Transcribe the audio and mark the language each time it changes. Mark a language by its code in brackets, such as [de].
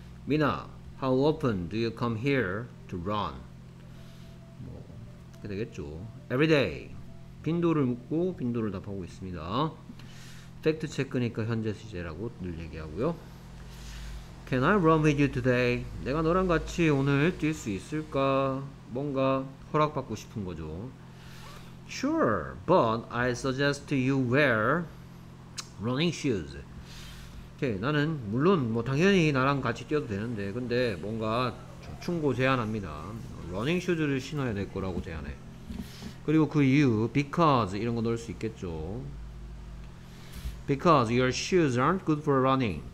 [en] Mina, how often do you come here to run? [ko] 뭐, 이렇게 되겠죠. [en] Every day. [ko] 빈도를 묻고 빈도를 답하고 있습니다. Fact check니까 현재 시제라고 늘 얘기하고요. [en] Can I run with you today? [ko] 내가 너랑 같이 오늘 뛸 수 있을까? 뭔가 허락받고 싶은 거죠. [en] Sure, but I suggest you wear running shoes. [ko] 나는 물론 뭐 당연히 나랑 같이 뛰어도 되는데 근데 뭔가 충고 제안합니다. 러닝 슈즈를 신어야 될 거라고 제안해. 그리고 그 이유 because 이런 거 넣을 수 있겠죠. [en] Because your shoes aren't good for running.